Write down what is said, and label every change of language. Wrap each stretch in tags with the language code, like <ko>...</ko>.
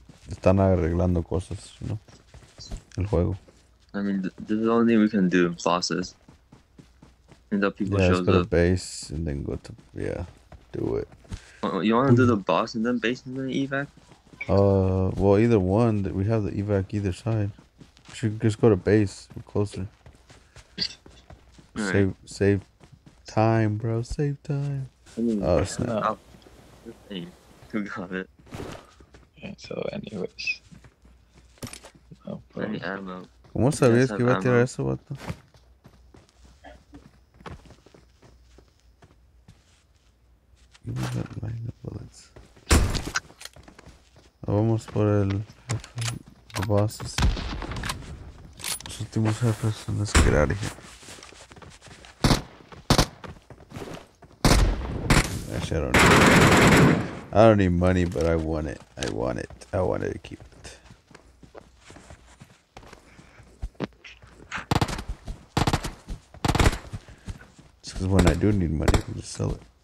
<es>Están arreglando cosas,</es> <en>you know?</en> <es>El juego.</es> <en>I mean, this is the only thing we can do, bosses. And that people show up. Yeah, go to base and then go to, yeah, do it. You want to do the boss and then base and then evac? Well, either one. We have the evac either side. We should just go to base. We're closer. All save right. Save time, bro. Save time. Oh, snap. Who got it? So, anyways. Any ammo.</en> <es>¿Cómo sabías que iba a tirar eso, vato?</es> <en>Give me that line of bullets.</en> <es>Vamos por el jefe.</es> <en>The bosses.</en> <es>Los últimos jefes son los que eran aquí.</es> <en>I don't need money, but I wanted to keep it. It's because when I do need money, I'm just sell it.</en>